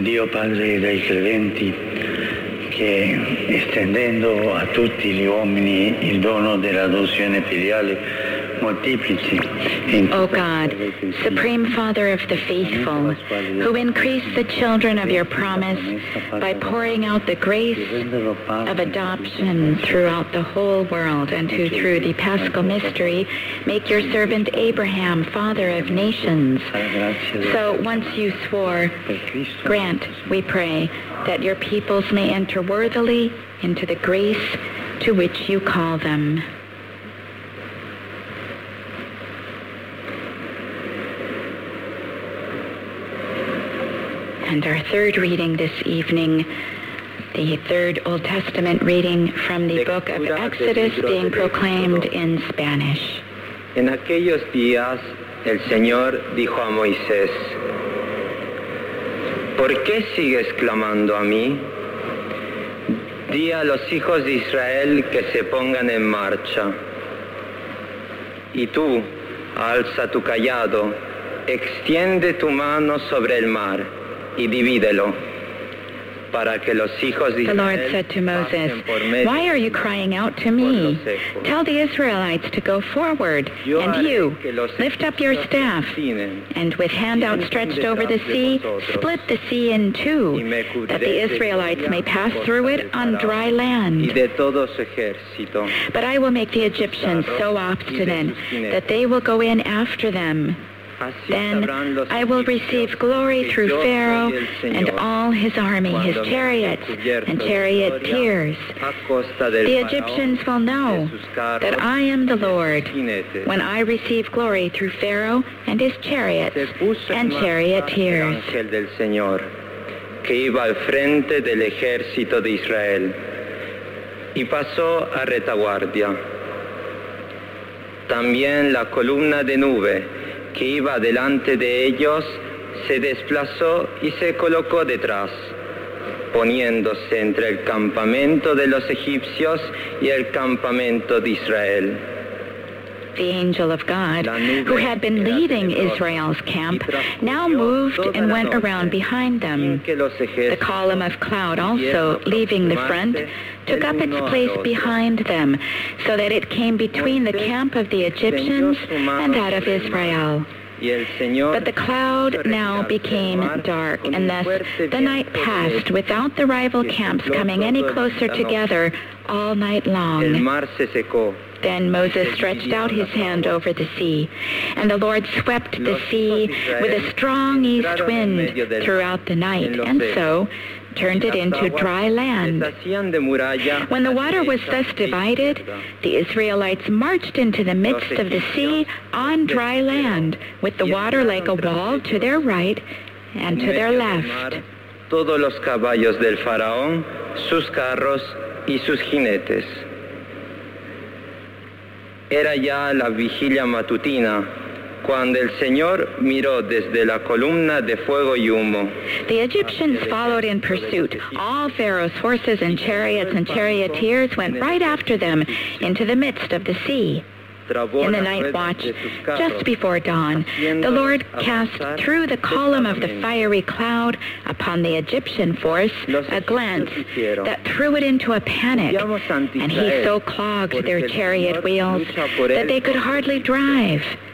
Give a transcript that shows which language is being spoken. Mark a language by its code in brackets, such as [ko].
[it] Padre dei credenti, che estendendo a tutti gli uomini il dono dell'adozione filiale, moltiplici. [en] O God, Supreme Father of the Faithful, who increase the children of your promise by pouring out the grace of adoption throughout the whole world, and who through the Paschal Mystery make your servant Abraham father of nations. So once you swore, grant, we pray, that your peoples may enter worthily into the grace to which you call them. And our third reading this evening, the third Old Testament reading from the book of Exodus being proclaimed in Spanish. [es] En aquellos días, el Señor dijo a Moisés, ¿Por qué sigues clamando a mí? Di a los hijos de Israel que se pongan en marcha. Y tú, alza tu cayado, extiende tu mano sobre el mar. Y divídelo, para que los hijos de [en] Israel The Lord said to Moses, Why are you crying out to me? Tell the Israelites to go forward, and you, lift up your staff, and with hand outstretched over the sea, split the sea in two, that the Israelites may pass through it on dry land. But I will make the Egyptians so obstinate that they will go in after them. Then I will receive glory through Pharaoh and all his army, his chariots and charioteers. The Egyptians will know that I am the Lord when I receive glory through Pharaoh and his chariots and charioteers. [es] El ángel del Señor que iba al frente del ejército de Israel y pasó a retaguardia. También la columna de nube que iba delante de ellos, se desplazó y se colocó detrás, poniéndose entre el campamento de los egipcios y el campamento de Israel. [en] The angel of God, who had been leading Israel's camp, now moved and went around behind them. The column of cloud also, leaving the front, took up its place behind them, so that it came between the camp of the Egyptians and that of Israel. But the cloud now became dark, and thus the night passed without the rival camps coming any closer together all night long. Then Moses stretched out his hand over the sea, and the Lord swept the sea with a strong east wind throughout the night, and so turned it into dry land. When the water was thus divided, the Israelites marched into the midst of the sea on dry land, with the water like a wall to their right and to their left. [es] Todos los caballos del faraón, sus carros y sus jinetes. Era ya la vigilia matutina, cuando el Señor miró desde la columna de fuego y humo. [en] The Egyptians followed in pursuit. All Pharaoh's horses and chariots and charioteers went right after them into the midst of the sea. In the night watch, just before dawn, the Lord cast through the column of the fiery cloud upon the Egyptian force a glance that threw it into a panic, and he so clogged their chariot wheels that they could hardly drive.